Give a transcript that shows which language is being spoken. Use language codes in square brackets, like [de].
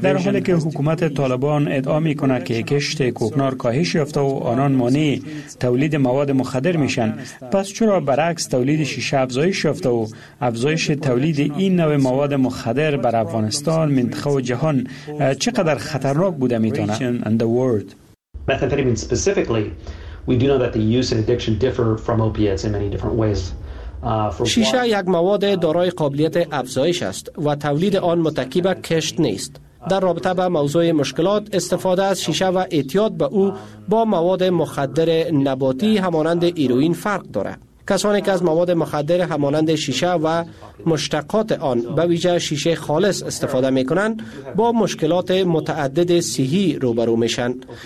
[fa] در حالی که حکومت طالبان ادعا میکنه که کشت کوکنار کاهش یافته و آنان مانع تولید مواد مخدر میشن، پس چرا برعکس تولید شیشه افزایش یافته و افزایش تولید این نوع مواد مخدر بر افغانستان، منطقه و جهان چقدر خطرناک بوده میتونه؟ [en] Methamphetamine specifically, we do know that the use and addiction differ from opiates in many different ways. [fa] شیشه یک مواد دارای قابلیت افزایش است و تولید آن متکی به کشت نیست. در رابطه با موضوع مشکلات، استفاده از شیشه و اعتیاد به او با مواد مخدر نباتی همانند ایروین فرق دارد. کسانی که از مواد مخدر همانند شیشه و مشتقات آن به ویژه شیشه خالص استفاده می کنند، با مشکلات متعدد صحی روبرو می شند.